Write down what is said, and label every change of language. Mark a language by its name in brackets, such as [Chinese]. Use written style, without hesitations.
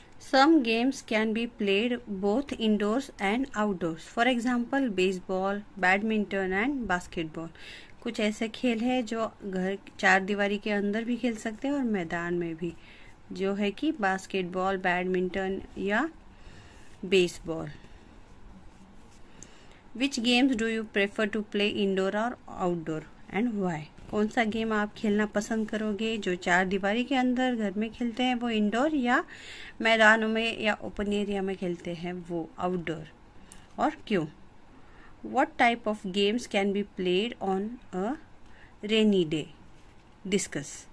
[English] Some games can be played both indoors and outdoors, for example baseball, badminton and basketball. [Hindi] कुछ ऐसे खेल हैं जो घर चार दीवारी के अंदर भी खेल सकते हैं और मैदान में भी, जो है कि बास्केटबॉल, बैडमिंटन या baseball. [English] Which games do you prefer to play indoor or outdoor and why? [Hindi] कौन सा गेम आप खेलना पसंद करोगे जो चार दीवारी के अंदर घर में खेलते हैं वो इंडोर, या मैदानों में या ओपन एरिया में खेलते हैं वो आउटडोर, और क्यों? [English] What type of games can be played on a rainy day? Discuss.